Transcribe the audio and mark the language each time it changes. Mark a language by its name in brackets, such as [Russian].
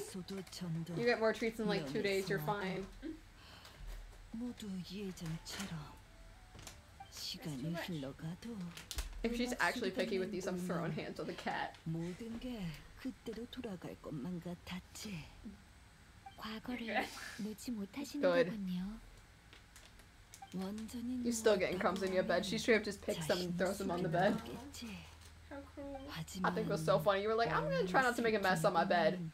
[English] You get more treats in like 2 days, you're fine. [Korean] 모두 예전처럼 시간이 흘러가도 [English] If she's actually picky with these, I'm throwing hands with a cat. [Korean] 모든 게 그대로 돌아갈 것만 같았지. 과거를 놓지 못하시는군요. [English] You're still getting crumbs in your bed. She straight up just picks them and throws them on the bed. I think it was so funny. You were like, I'm gonna try not to make a mess on my bed.